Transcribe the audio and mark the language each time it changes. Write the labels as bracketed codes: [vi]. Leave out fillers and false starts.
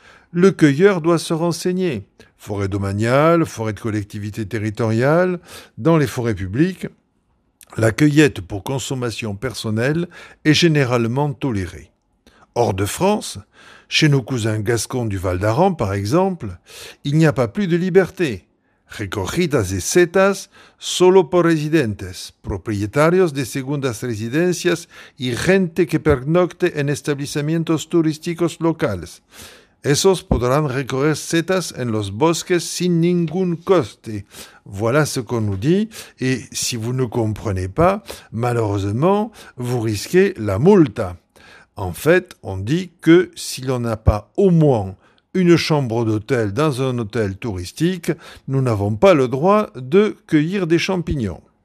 [fr] Le cueilleur doit se renseigner. Forêt domaniale, forêt de collectivité territoriale, dans les forêts publiques, la cueillette pour consommation personnelle est généralement tolérée. Hors de France, chez nos cousins gascons du Val d'Aran, par exemple, il n'y a pas plus de liberté. [es] Recogidas de setas solo por residentes, propietarios de segundas residencias y gente que pernocte en establecimientos turísticos locales. Esos podrán recoger setas en los bosques sin ningún coste. [fr] Voilà ce qu'on nous dit, et si vous ne comprenez pas, malheureusement, vous risquez la multa. En fait, on dit que si l'on n'a pas au moins une chambre d'hôtel dans un hôtel touristique, nous n'avons pas le droit de cueillir des champignons.